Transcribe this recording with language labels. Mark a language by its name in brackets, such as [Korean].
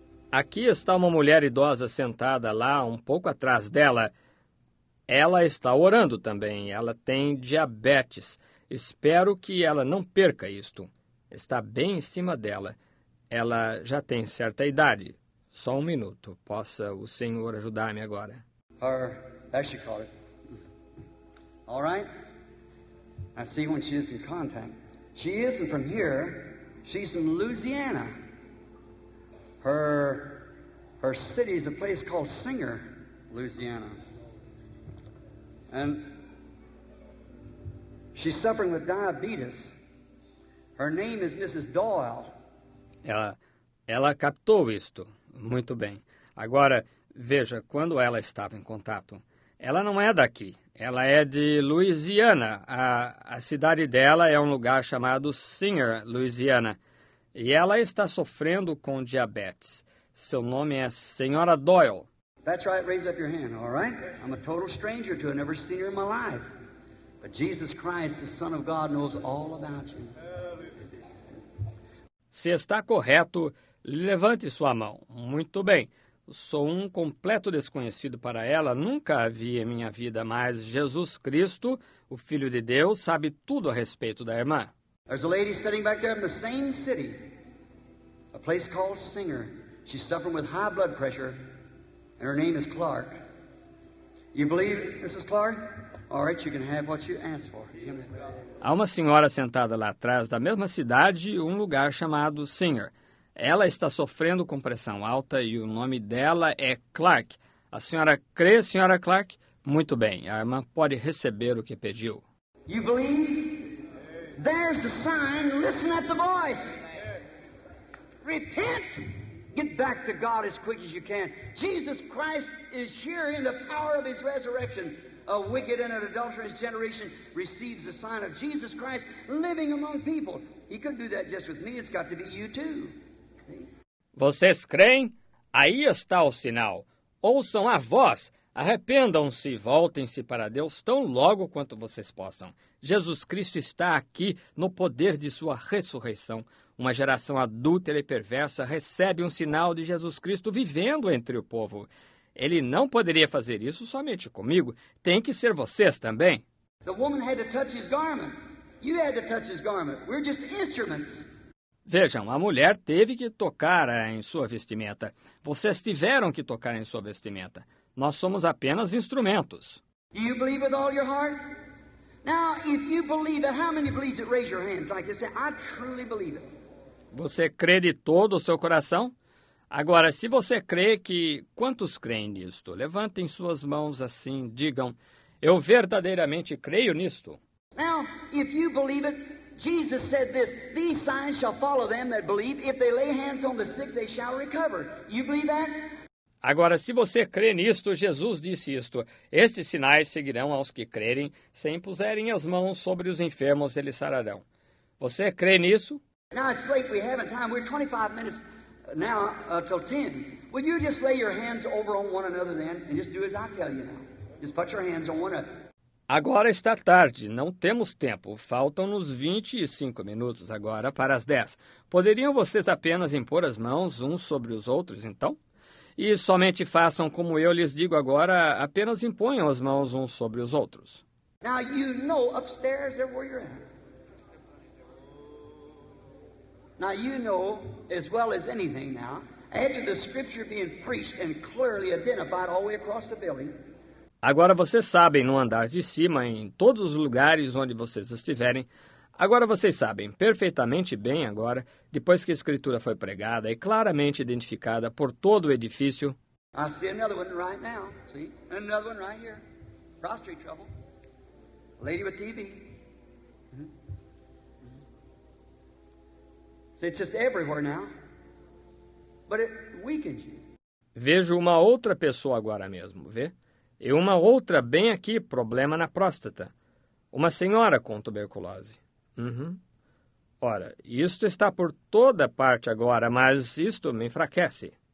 [Portuguese] Aqui está uma mulher idosa sentada lá, um pouco atrás dela. Ela está orando também. Ela tem diabetes. Espero que ela não perca isto. Está bem em cima dela. Ela já tem certa idade. Só um minuto. Possa o Senhor ajudar-me agora. [English] Her, that she called it. All right. I see when she is in contact. She isn't from here. She's from Louisiana. Her city is a place called Singer, Louisiana. And she's suffering with diabetes. Her name is Mrs. Doyle. [Portuguese] Ela captou isto. Muito bem. Agora, veja, quando ela estava em contato, ela não é daqui. Ela é de Louisiana. A cidade dela é um lugar chamado Singer, Louisiana. E ela está sofrendo com diabetes. Seu nome é Senhora Doyle. [English] That's right. Raise up your hand, all right? I'm a total stranger to her. Never seen her in my life. But Jesus Christ, the Son of God, knows all about you. [Portuguese] Se está correto, levante sua mão. Muito bem. Sou um completo desconhecido para ela. Nunca a vi em minha vida, mas Jesus Cristo, o Filho de Deus, sabe tudo a respeito da irmã. [English] There's a lady sitting back there in the same city, a place called Singer. She's suffering with high blood pressure, and her name is Clark. You believe, Mrs. Clark? All right, you can have what you asked for. [Portuguese] Há uma senhora sentada lá atrás da mesma cidade, um lugar chamado Singer. Ela está sofrendo com pressão alta e o nome dela é Clark. A senhora crê, senhora Clark? Muito bem, a irmã pode receber o que pediu. [English] You believe? There's a sign. Listen at the voice. Repent. Get back to God as quick as you can. Jesus Christ is here in the power of his resurrection. A wicked and an adulterous generation receives the sign of Jesus Christ living among people. He couldn't do that just with me. It's got to be you too. [Portuguese] Vocês creem? Aí está o sinal. Ouçam a voz. Arrependam-se e voltem-se para Deus tão logo quanto vocês possam. Jesus Cristo está aqui no poder de sua ressurreição. Uma geração adúltera e perversa recebe um sinal de Jesus Cristo vivendo entre o povo. Ele não poderia fazer isso somente comigo. Tem que ser vocês também. [English] The woman had to touch his garment. You had to touch his garment. We're just instruments. [Portuguese] Vejam, a mulher teve que tocar em sua vestimenta. Vocês tiveram que tocar em sua vestimenta. Nós somos apenas instrumentos. [English] Do you believe with all your heart? Now, if you believe it, how many believe it? Raise your hands like this. I truly believe it. [Portuguese] Você crê de todo o seu coração? Agora, se você crê que... Quantos creem nisto? Levantem suas mãos assim, digam, eu verdadeiramente creio nisto. [English] Now, if you believe it, Jesus said this, these signs shall follow them that believe. If they lay hands on the sick, they shall recover. You believe that? [Portuguese] Agora, se você crê nisto, Jesus disse isto, estes sinais seguirão aos que crerem, se impuserem as mãos sobre os enfermos, eles sararão. Você crê nisso? [English] Now it's late, we haven't time, we're 25 minutes now till 10. Will you just lay your hands over on one another then and just do as I tell you now? Just put your hands on one another. [Portuguese] Agora está tarde, não temos tempo, faltam-nos 25 minutos agora para as 10. Poderiam vocês apenas impor as mãos uns sobre os outros então? E somente façam como eu lhes digo agora, apenas imponham as mãos uns sobre os outros. [English] Now you know upstairs they're where you're at. Now you know as well as anything now, after the scripture being preached and clearly identified all the way across the building. [Portuguese] Agora vocês sabem no andar de cima, em todos os lugares onde vocês estiverem. Agora vocês sabem perfeitamente bem agora, depois que a escritura foi pregada e claramente identificada por todo o edifício. [English] I see another one right now. See? Another one right here. Prostate trouble. Lady with TB. Mm-hmm. See, it's just everywhere now. But it weakens you. [Portuguese] Vejo uma outra pessoa agora mesmo, vê? E uma outra bem aqui, problema na próstata. Uma senhora com tuberculose. Ora, isto está por toda parte agora, mas isto me enfraquece.